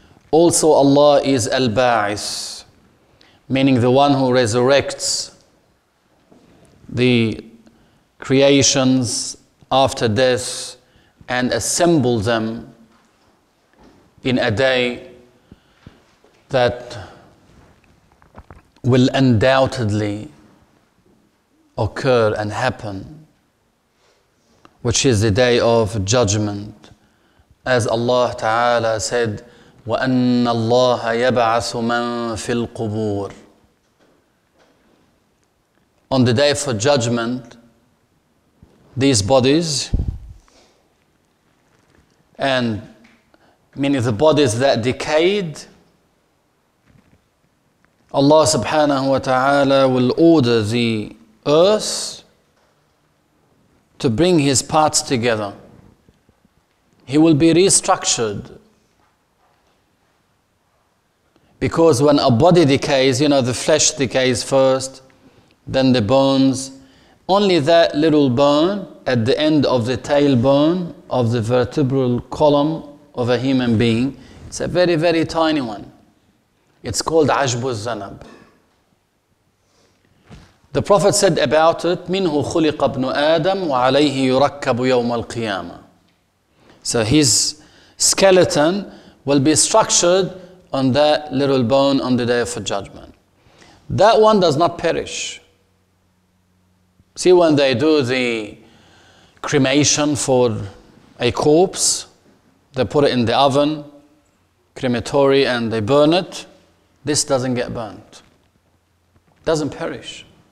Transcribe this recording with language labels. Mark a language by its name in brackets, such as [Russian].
[English] Also, Allah is Al-Ba'ith, meaning the one who resurrects the creations after death and assemble them in a day that will undoubtedly occur and happen, which is the day of judgment. As Allah Ta'ala said, [Arabic] وَأَنَّ اللَّهَ يَبْعَثُ مَنْ فِي الْقُبُورِ. [English] On the day for judgment, these bodies, and meaning the bodies that decayed, Allah subhanahu wa ta'ala will order the earth to bring his parts together. He will be restructured. Because when a body decays, you know, the flesh decays first, then the bones, only that little bone at the end of the tailbone of the vertebral column of a human being, it's a very, very tiny one. It's called Ajbu al-Zanab. The Prophet said about it, [Arabic] مِنْهُ خُلِقَ ابْنُ آدَمُ وَعَلَيْهِ يُرَكَّبُ يَوْمَ الْقِيَامَةِ. [English] So his skeleton will be structured on that little bone on the day of judgment. That one does not perish. See, when they do the cremation for a corpse, they put it in the oven, crematory, and they burn it, this doesn't get burnt. Doesn't perish.